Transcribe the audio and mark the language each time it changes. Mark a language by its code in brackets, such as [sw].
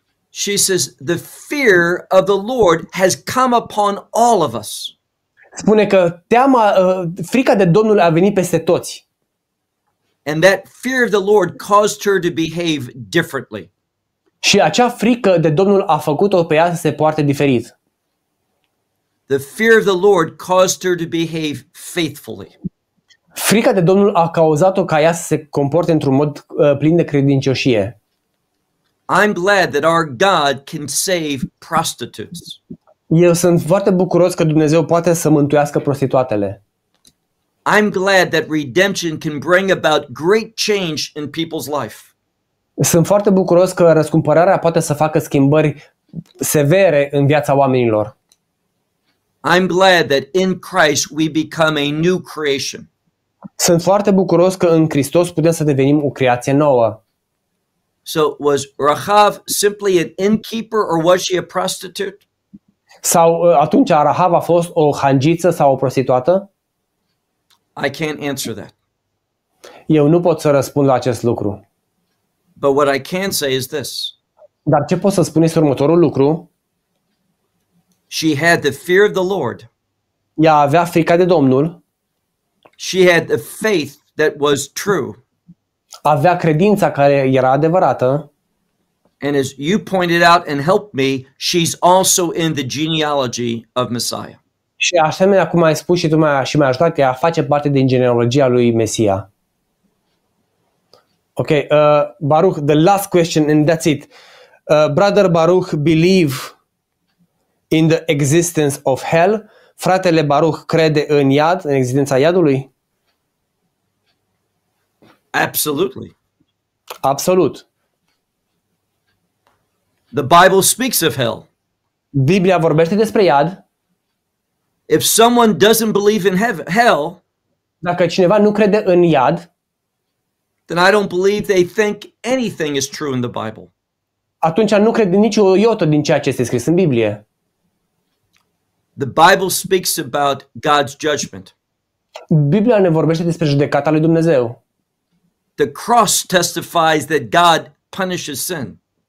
[en] She says the fear of the Lord has come upon all of us. [ro] Spune că teama, frica de Domnul a venit peste toți. [en] And that fear of the Lord caused her to behave differently. [ro] Și acea frică de Domnul a făcut-o pe ea să se poarte diferit. [en] The fear of the Lord caused her to behave faithfully. [ro] Frica de Domnul a cauzat-o ca ea să se comporte într-un mod plin de credincioșie. [en] I'm glad that our God can save prostitutes. [ro] Eu sunt foarte bucuros că Dumnezeu poate să mântuiască prostituatele. [en] I'm glad that redemption can bring about great change in people's life. [ro] Sunt foarte bucuros că răscumpărarea poate să facă schimbări severe în viața oamenilor. [en] I'm glad that in Christ we become a new creation. [ro] Sunt foarte bucuros că în Hristos putem să devenim o creație nouă. [en] So was Rahav simply an innkeeper or was she a prostitute? [ro] Sau atunci Rahav a fost o hangiță sau o prostituată? [en] I can't answer that. [ro] Eu nu pot să răspund la acest lucru. [en] But what I can say is this. [ro] Dar ce pot să spun este următorul lucru. [en] She had the fear of the Lord. [ro] Ea avea frica de Domnul. [en] She had the faith that was true. [ro] Avea credința care era adevărată. [en] And as you pointed out and helped me, she's also in the genealogy of Messiah. [ro] Și asemenea, cum ai spus și tu și m-ai ajutat, ea face parte din genealogia lui Mesia. [en] Ok, Baruch, the last question and that's it. Brother Baruch, believe in the existence of hell. [ro] Fratele Baruch crede în iad, în existența iadului? [en] Absolutely. [ro] Absolut. [en] The Bible speaks of hell. [ro] Biblia vorbește despre iad. [en] If someone doesn't believe in hell, [ro] dacă cineva nu crede în iad, [en] then I don't believe they think anything is true in the Bible. [ro] Atunci nu cred nici o iotă din ceea ce este scris în Biblie. [en] The Bible speaks about God's judgment. [ro] Biblia ne vorbește despre judecata lui Dumnezeu. [en] The cross testifies that God punishes sin.